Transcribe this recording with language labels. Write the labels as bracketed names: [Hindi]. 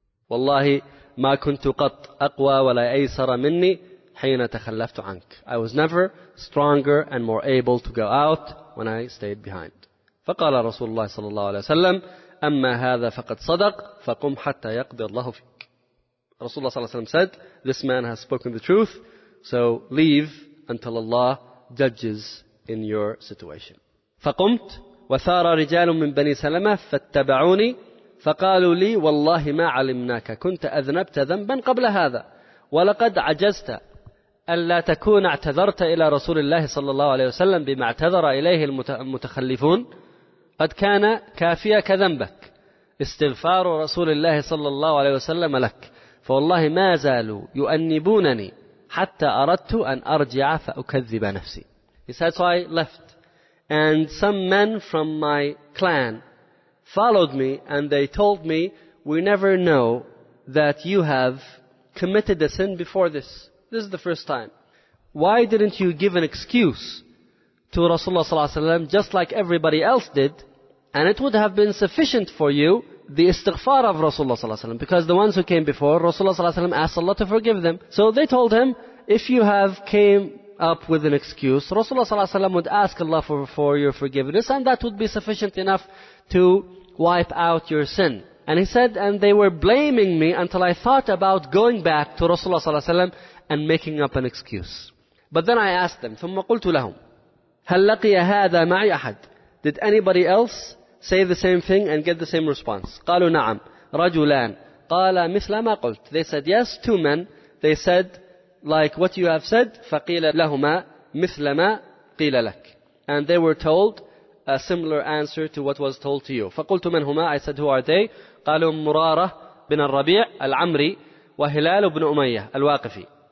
[Arabic] وَاللَّهِ مَا كُنْتُ قَطْ أَقْوَى وَلَا أَيْسَرَ مِنِّي حَيْنَ تَخَلَّفْتُ عَنْكَ. [English] I was never stronger and more able to go out when I stayed behind. [Arabic] فَقَالَ رَسُولُ اللَّهِ صَلَى اللَّهُ عَلَيْهِ وَسَلَّمْ أَمَّا هَذَا فَقَدْ صَدَقْ فَقُمْ حَتَّى يَقْدِرَ اللَّهُ فِيكَ. [English] Rasulullah ﷺ said, this man has spoken the truth, so leave until Allah judges in your situation. [Arabic] فقمت وثار رجال من بني سلمة فاتبعوني فقالوا لي والله ما علمناك كنت أذنبت ذنبا قبل هذا ولقد عجزت ألا تكون اعتذرت إلى رسول الله صلى الله عليه وسلم بما اعتذر إليه المتخلفون قد كان كافيا كذنبك استغفار رسول الله صلى الله عليه وسلم لك فوالله ما زالوا يؤنبونني حتى أردت أن أرجع فأكذب نفسي. [English] He said, so I left. And some men from my clan followed me, and they told me, we never know that you have committed a sin before this. This is the first time. Why didn't you give an excuse to Rasulullah sallallahu alaihi wasallam just like everybody else did? And it would have been sufficient for you, the istighfar of Rasulullah sallallahu alaihi wasallam, because the ones who came before, Rasulullah sallallahu alaihi wasallam asked Allah to forgive them. So they told him, if you have came up with an excuse, Rasulullah sallallahu alaihi wasallam would ask Allah for your forgiveness, and that would be sufficient enough to wipe out your sin. And he said, and they were blaming me until I thought about going back to Rasulullah sallallahu alaihi wasallam and making up an excuse. But then I asked them, [Arabic] ثم قلت لهم هل لقي هذا معي أحد. [English] Did anybody else say the same thing and get the same response? [Arabic] قالوا نعم رجلان قال مثل ما قلت. [English] They said, yes, two men. They said, like what you have said, [Arabic] فَقِيلَ لَهُمَا مِثْلَ مَا قِيلَ لَكَ. [English] And they were told a similar answer to what was told to you. [Arabic] فَقُلْتُ مَنْ هُمَا. [English] I said, who are they? [Arabic] قَالُوا مُرَارَةَ بِنَ الرَّبِيعِ الْعَمْرِي وَهِلَالُ بْنُ أُمَيَّةَ الْوَاقِفِ.